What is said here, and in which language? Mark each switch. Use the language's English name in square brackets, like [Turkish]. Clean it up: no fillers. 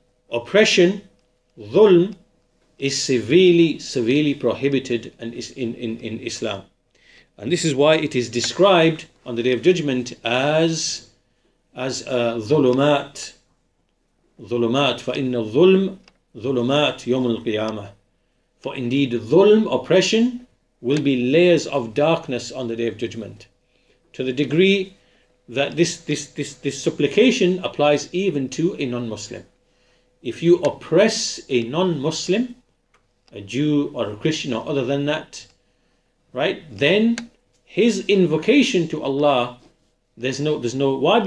[English] Oppression, dhulm, is severely prohibited and is in Islam. And this is why it is described on the Day of Judgment as ظلمات. [Arabic] ظلمات فإن الظلم ظلمات يوم القيامة. [English] For indeed, ظلم, oppression, will be layers of darkness on the Day of Judgment. To the degree that this supplication applies even to a non-Muslim. If you oppress a non-Muslim, a Jew or a Christian or other than that, right, then his invocation to Allah, there's no, why?